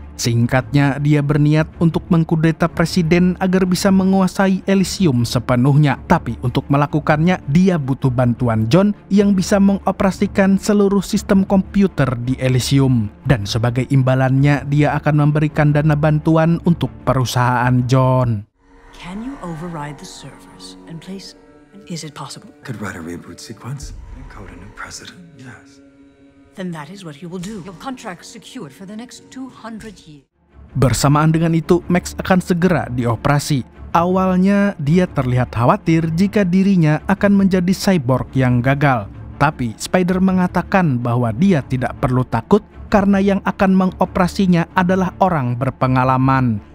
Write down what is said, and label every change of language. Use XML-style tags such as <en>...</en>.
<id>Singkatnya, dia berniat untuk mengkudeta presiden agar bisa menguasai Elysium sepenuhnya. Tapi untuk melakukannya, dia butuh bantuan John yang bisa mengoperasikan seluruh sistem komputer di Elysium. Dan sebagai imbalannya, dia akan memberikan dana bantuan untuk perusahaan John.</id> <en>Can you override the servers and place... Is it possible? Could write a reboot sequence and code a new president, yes. Then that is what you will do. Your contract secured for the next 200 years.</en> <id>Bersamaan dengan itu, Max akan segera dioperasi. Awalnya, dia terlihat khawatir jika dirinya akan menjadi cyborg yang gagal. Tapi, Spider mengatakan bahwa dia tidak perlu takut karena yang akan mengoperasinya adalah orang berpengalaman.</id>